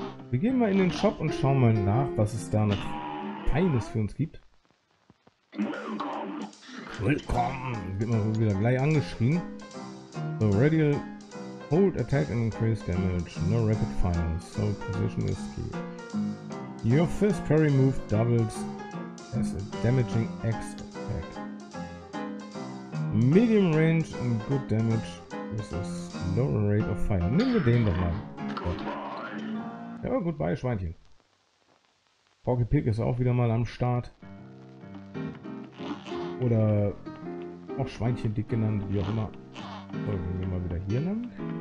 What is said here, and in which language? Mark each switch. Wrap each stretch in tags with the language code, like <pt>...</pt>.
<de>Wir gehen mal in den Shop und schauen mal nach, was es da noch Feines für uns gibt. Willkommen! Wird mal wieder gleich angeschrien. So, Radial.</de> <en>Hold attack and increase damage. No rapid fire. So position is key. Your first parry move doubles as a damaging X attack. Medium range and good damage with a slower rate of fire.</en> <de>Nehmen wir den doch mal. Ja, aber goodbye, Schweinchen. Porky Pig ist auch wieder mal am Start. Oder auch Schweinchen dick genannt, wie auch immer. So, gehen wir mal wieder hier lang.</de>